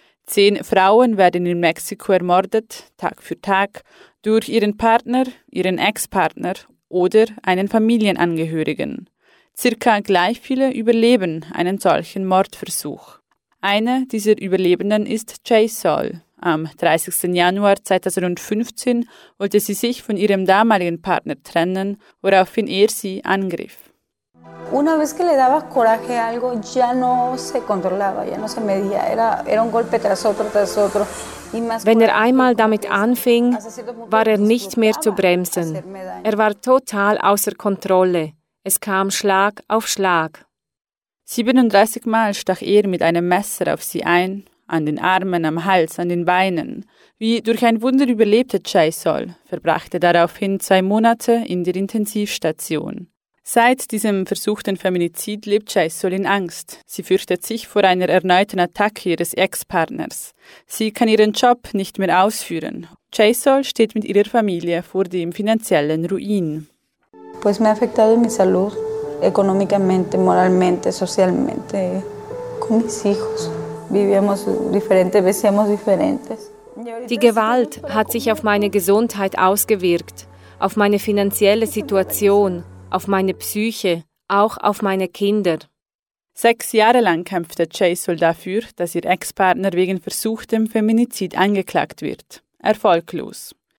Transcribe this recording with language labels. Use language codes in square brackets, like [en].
[de] 10 Frauen werden in Mexiko ermordet, Tag für Tag, durch ihren Partner, ihren Ex-Partner oder einen Familienangehörigen. Circa gleich viele überleben einen solchen Mordversuch. Eine dieser Überlebenden ist Jay Sol. Am 30. Januar 2015 wollte sie sich von ihrem damaligen Partner trennen, woraufhin er sie angriff. [es] Una vez que le daba coraje a algo, ya no se controlaba, ya no se medía, era un golpe tras otro y más. [de] Wenn er einmal damit anfing, war er nicht mehr zu bremsen. Er war total außer Kontrolle. Es kam Schlag auf Schlag. 37 Mal stach er mit einem Messer auf sie ein, an den Armen, am Hals, an den Beinen. Wie durch ein Wunder überlebte Jay Sol, verbrachte daraufhin 2 Monate in der Intensivstation. Seit diesem versuchten Feminizid lebt Jay Sol in Angst. Sie fürchtet sich vor einer erneuten Attacke ihres Ex-Partners. Sie kann ihren Job nicht mehr ausführen. Jay Sol steht mit ihrer Familie vor dem finanziellen Ruin. [es] Pues me ha afectado mi salud económicamente, moralmente, socialmente con mis hijos. Vivíamos diferente, vivíamos diferentes. [de] Die Gewalt hat sich auf meine Gesundheit ausgewirkt, auf meine finanzielle Situation, auf meine Psyche, auch auf meine Kinder. 6 Jahre lang kämpfte Jay Sol dafür, dass ihr Ex-Partner wegen versuchtem Feminizid angeklagt wird. Erfolglos.